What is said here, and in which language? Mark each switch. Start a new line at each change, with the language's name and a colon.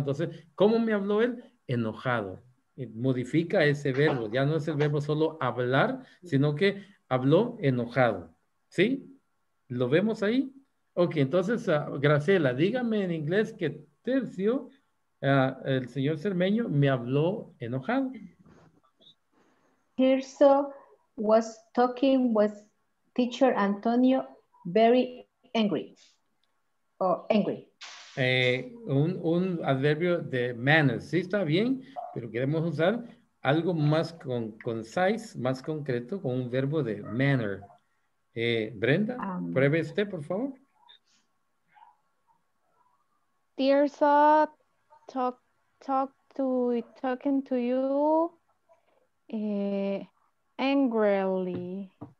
Spanish: Entonces, ¿cómo me habló él? Enojado. Modifica ese verbo. Ya no es el verbo solo hablar, sino que habló enojado. ¿Sí? ¿Lo vemos ahí? Ok, entonces, Graciela, dígame en inglés que Tirso, el señor Cermeño, me habló enojado.
English: Tirso was talking with teacher Antonio very angry.
Spanish: Un adverbio de manners. Sí, está bien, pero queremos usar algo más concise, más concreto, con un verbo de manner. Brenda, pruebe usted, por favor.
English: Tirso talking to you angrily.